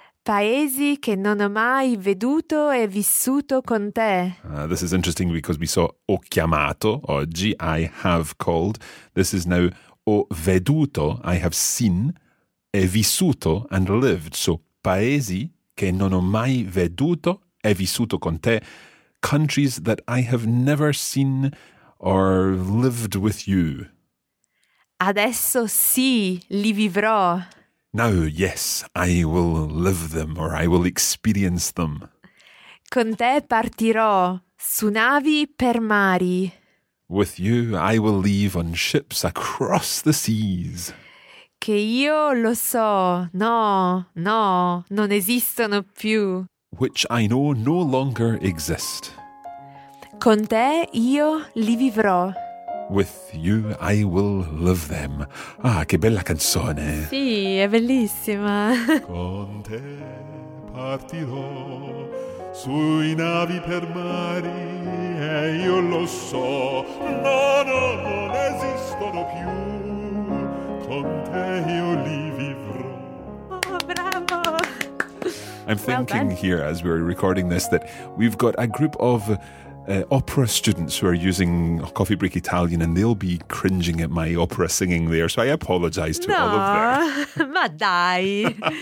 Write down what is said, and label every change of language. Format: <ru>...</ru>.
<it>Paesi che non ho mai veduto e vissuto con te.</it> <en>This is interesting because we saw</en> <it>ho chiamato oggi,</it> <en>I have called. This is now</en> <it>ho veduto,</it> <en>I have seen,</en> <it>e vissuto</it> <en>and lived.</en> <it>So, paesi che non ho mai veduto e vissuto con te.</it> <en>Countries that I have never seen or lived with you.</en> <it>Adesso sì, li vivrò.</it> <en>Now, yes, I will live them or I will experience them.</en> <it>Con te partirò su navi per mari.</it> <en>With you, I will leave on ships across the seas.</en> <it>Che io lo so, no, no, non esistono più.</it> <en>Which I know no longer exist.</en> <it>Con te io li vivrò.</it> <en>With you I will love them.</en> <it>Ah, che bella canzone. Sì, è bellissima. Con te partirò sui navi per mari e io lo so, ma non esistono più. Con te io li vivrò. Oh, bravo.</it> <en>I'm thinking here as we're recording this that we've got a group of opera students who are using Coffee Break Italian, and they'll be cringing at my opera singing there, so I apologize to all of them.</en> <it>Ma dai.</it>